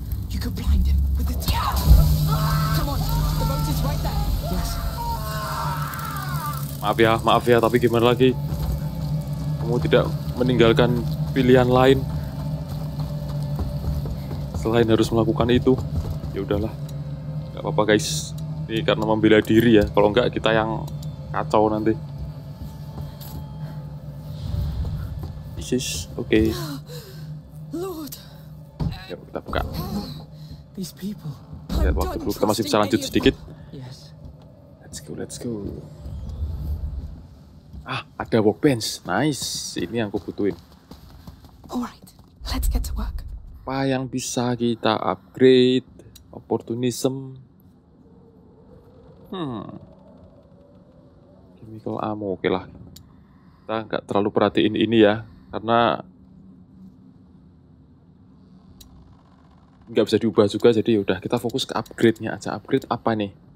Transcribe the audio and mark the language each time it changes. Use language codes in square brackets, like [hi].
[en] You could blind him with the Come on, the boat is right there. Yes. [id] Maaf ya, tapi gimana lagi? Kamu tidak meninggalkan pilihan lain selain harus melakukan itu. Ya udahlah. Gak apa-apa guys, ini karena membela diri ya, kalau enggak kita yang kacau nanti. Isis, oke. [en] Okay. [id] Yuk kita buka. [en] These people. [id] Lihat waktu dulu, kita masih bisa lanjut sedikit. [en] Let's go. [id] Ah, ada workbench, nice. Ini yang aku butuhin. [en] Alright, let's get to work. [id] Apa yang bisa kita upgrade? Opportunism. Chemical ammo, okelah. Kita nggak terlalu perhatiin ini ya, karena nggak bisa diubah juga, jadi udah kita fokus ke upgrade-nya aja. Upgrade apa nih?